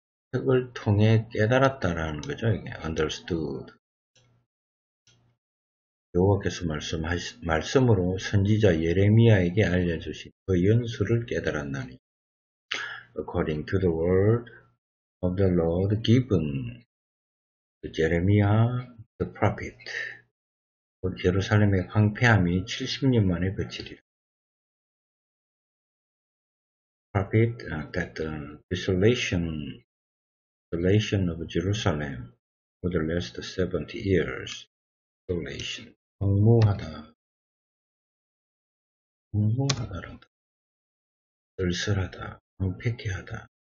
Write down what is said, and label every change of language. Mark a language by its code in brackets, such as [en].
[ko] 책을 통해 깨달았다라는 거죠, 이게. [en] Understood. [ko] 여호와께서 말씀으로 선지자 예레미야에게 알려주신 그 연수를 깨달았나니. [en] According to the word of the Lord given to Jeremiah the prophet. [ko] 예루살렘의 황폐함이 70년 만에 그치리라. [en] Prophet that desolation of Jerusalem would last 70 years. [ko] Desolation. 황무하다. 황무하다란다. 쓸쓸하다. 황폐케하다.